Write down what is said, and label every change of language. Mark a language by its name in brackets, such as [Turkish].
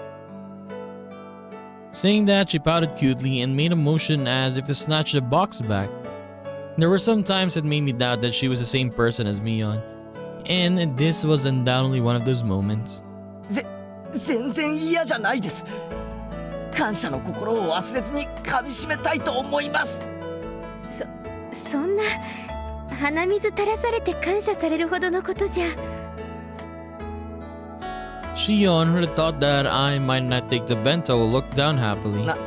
[Japanese] もう、お姉じゃないんですから。私そんなことしませんよ。別に嫌なら無理しなくても。帰って自分で食べちゃいますから。 [English] Saying that, she pouted cutely and made a motion as if to snatch the box back. There were some times that made me doubt that she was the same person as Mion. And this was undoubtedly one of those moments. [Japanese] 全然嫌じゃないです。感謝の心を忘れずに噛み締めたいと思います。そんな鼻水垂らされて感謝されるほどのことじゃ。Shion [English] would have thought that I might not take the bento looked down happily.